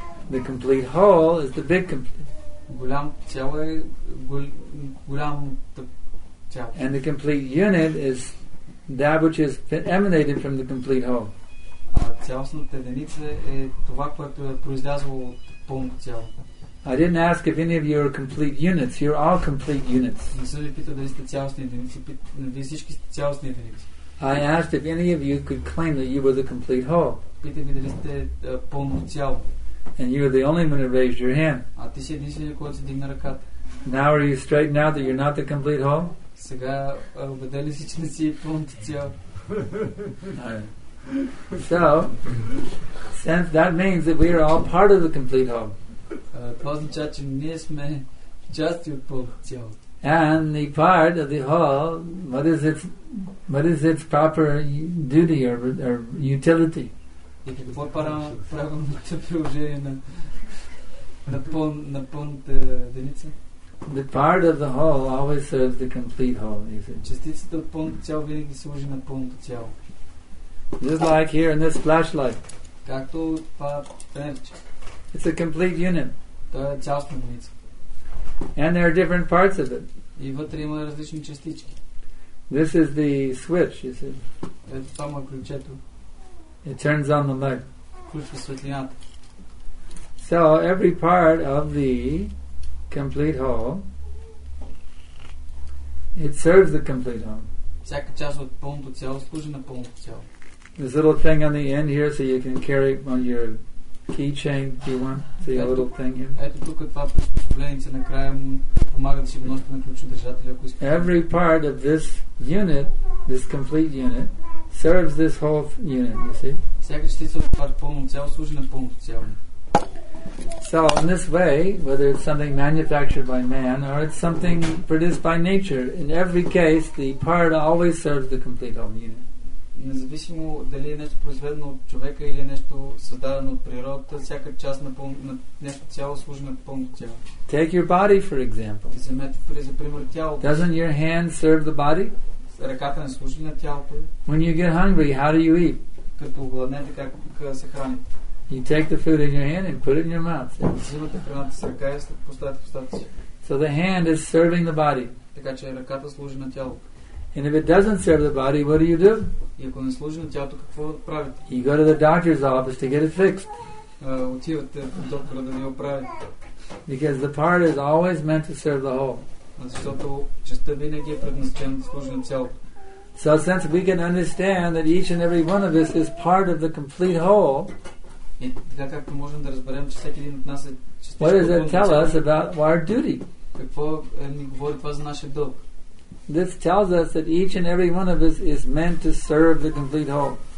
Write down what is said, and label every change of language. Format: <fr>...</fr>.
<en>The complete whole is the big complete.</en> <bg>Голям цяло е голямата цялост.</bg> <en>And the complete unit is that which is emanating from the complete whole.</en> <bg>Цялостната единица е това, което е произлязло от пълното цяло.</bg> <en>I didn't ask if any of you are complete units. You're all complete units.</en> <bg>Не съм ви питал дали сте цялостни единици. Вие всички сте цялостни единици.</bg> <en>I asked if any of you could claim that you were the complete whole.</en> <bg>Питах ви дали сте пълно цяло.</bg> <en>And you were the only one who raised your hand.</en> <bg>А ти си единствения, който си дигна ръката.</bg> <en>Now are you straight now that you're not the complete whole?</en> <bg>Сега убеден ли си, че не си пълното цяло?</bg> <en>So, since that means that we are all part of the complete whole.</en> <bg>Това означава, че ние сме части от пълното цяло.</bg> <en>And the part of the whole, what is its proper duty or utility?</en> <bg>И какво правилното приложение на пълната единица?</bg> <en>The part of the whole always serves the complete whole.</en> <bg>Частицата от пълното цяло винаги служи на пълното цяло.</bg> <en>Just like here in this flashlight.</en> <bg>Както това фенерче.</bg> <en>It's a complete unit.</en> <bg>Та е цялостна единица.</bg> <en>And there are different parts of it.</en> <bg>И вътре има различни частички.</bg> <en>This is the switch, you see.</en> <bg>Ето само ключето.</bg> <en>It turns on the light.</en> <bg>Включва светлината.</bg> <en>So every part of the complete whole, it serves the complete whole.</en> <bg>Всяка част от пълното цяло служи на пълното цяло.</bg> <en>This little thing on the end here, so you can carry it on your keychain if you want. See a little thing here.</en> <bg>Ето тук това приспособление на края помага да си носите на ключодържателя, ако искате.</bg> <en>Every part of this unit, this complete unit, serves this whole unit. You see?</en> <bg>Всяка частица от това пълно цяло служи на пълното цяло.</bg> <en>So in this way, whether it's something manufactured by man or it's something produced by nature, in every case, the part always serves the complete whole unit.</en> <bg>Независимо дали е нещо произведено от човека или е нещо създадено от природата, всяка част на нещо цяло служи на пълното цяло.</bg> <en>Take your body for example.</en> <bg>Вземете за пример тялото.</bg> <en>Doesn't your hand serve the body?</en> <bg>Ръката не служи на тялото.</bg> <en>When you get hungry, how do you eat?</en> <bg>Като гладнете, как се храните?</bg> <en>You take the food in your hand and put it in your mouth.</en> <bg>Вземате храната с ръка и поставяте в устата си.</bg> <en>So the hand is serving the body.</en> <bg>Така че ръката служи на тялото.</bg> <en>And if it doesn't serve the body, what do you do?</en> <bg>И ако не служи на тялото, какво правите?</bg> <en>You go to the doctor's office to get it fixed.</en> <bg>Отивате в доктора да ви оправи.</bg> <en>Because the part is always meant to serve the whole.</en> <bg>Защото частта винаги е предназначена да служи на цялото.</bg> <en>So since we can understand that each and every one of us is part of the complete whole,</en> <bg>и така както можем да разберем, че всеки един от нас е частично.</bg> <en>What does that tell us about our duty?</en> <bg>Какво ни говори това за нашия дълг?</bg> <en>This tells us that each and every one of us is meant to serve the complete whole.</en>